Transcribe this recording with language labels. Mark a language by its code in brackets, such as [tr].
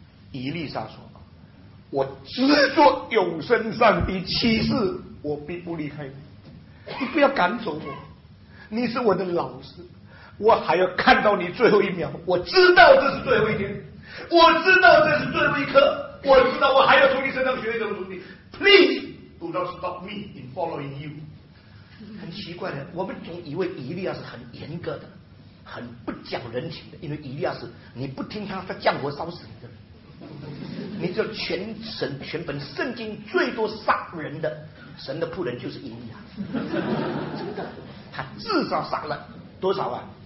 [zh] 伊丽莎说，我只做永生上帝启示，我必不离开你，你不要赶走我，你是我的老师，我还要看到你最后一秒，我知道这是最后一天，我知道这是最后一刻，我知道我还要从你身上学一种东西。 [en] Please do not stop me in following you。 [zh] 很奇怪的，我们总以为以利亚是很严格的，很不讲人情的，因为以利亚是你不听他，他降火烧死你的。你知道全神全本圣经最多杀人的神的仆人就是以利亚，真的，他至少杀了多少啊？